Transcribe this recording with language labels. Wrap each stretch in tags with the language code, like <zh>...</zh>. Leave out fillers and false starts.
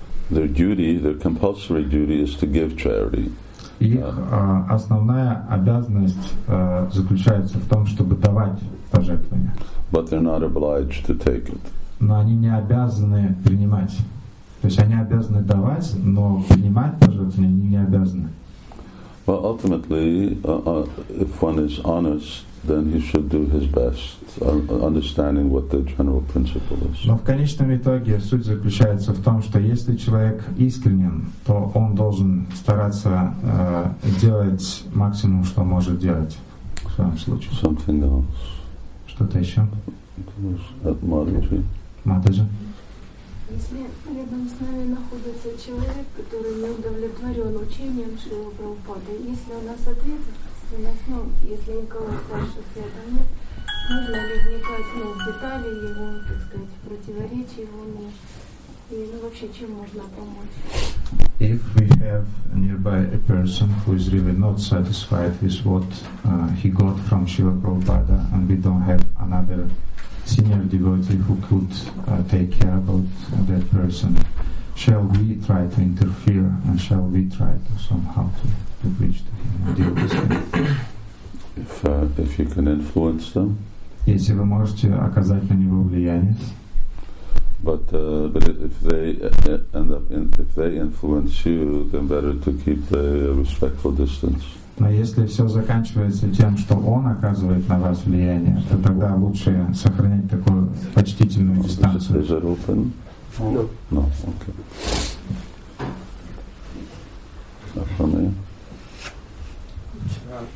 <en>Their duty, their compulsory duty is to give charity.</en> <ru>Основная обязанность заключается в том, чтобы давать пожертвования.</ru> <en>But they're not obliged to take it.</en> <ru>Но они не обязаны принимать. То есть они обязаны давать, но принимать пожертвования они не обязаны.</ru> <en>Well, ultimately, if one is honest, then he should do his best, understanding what the general principle is.</en> <ru>Но в конечном итоге суть заключается в том, что если человек искренен, то он должен стараться делать максимум, что может делать в своем случае.</ru> <en>Something else.</en> <ru>Что-то еще? Матаджи. Матаджи. Если рядом с нами находится человек, который не удовлетворен учением Шрилы Прабхупады, если у нас ответственность, ну, если никого старших рядом нет, нужно ли вникать, ну, в детали его, так сказать, в противоречие его нет, и, ну, вообще, чем можно помочь?</ru> <en>If we have nearby a person who is really not satisfied with what he got from Shiva Prabhupada, and we don't have another senior devotee who could take care about that person, shall we try to interfere and shall we try to somehow to reach to him and deal with him? If you can influence them.</en> <ru>Если вы можете оказать на него влияние.</ru> <en>But if they influence you, then better to keep a respectful distance.</en> <ru>Но если все заканчивается тем, что он оказывает на вас влияние, то тогда лучше сохранять такую почтительную дистанцию.</ru> <en>Is it open? No. No. Okay.</en> <ru>Вчера</ru>